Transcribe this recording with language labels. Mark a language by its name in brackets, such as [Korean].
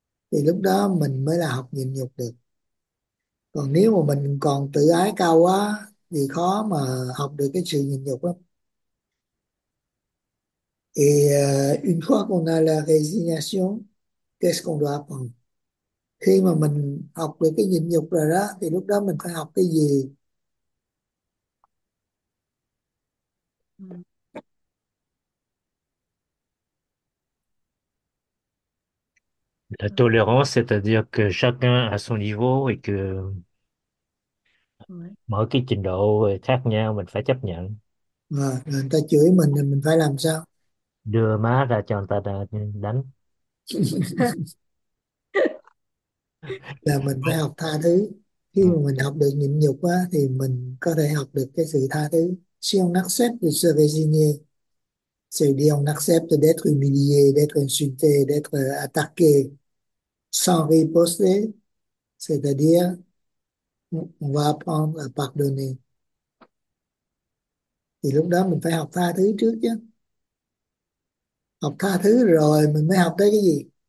[Vietnamese] Thì lúc đó mình mới là học nhịn nhục được. Còn nếu mà mình còn tự ái cao quá thì khó mà học được cái sự nhịn nhục lắm. [French] Et une fois qu'on a la résignation, qu'est-ce qu'on doit apprendre? [Vietnamese] Khi mà mình học được cái nhịn nhục rồi đó, thì lúc đó mình phải học cái gì? [French] La tolérance, c'est-à-dire que chacun a son niveau et que [Vietnamese] mỗi cái trình độ khác nhau, mình phải chấp nhận. Người ta chửi mình thì mình phải làm sao? Đưa má ra cho người ta đánh. Là mình phải học tha thứ. Khi mà mình học được nhịn nhục á, thì mình có thể học được cái sự tha thứ. [French] Si on accepte de se résigner, c'est dire on accepte d'être humilié, d'être insulté, d'être attaqué sans riposter, c'est-à-dire on va apprendre à pardonner. [Vietnamese] Thì lúc đó mình phải học tha thứ trước chứ. Học tha thứ rồi mình mới học tới cái gì?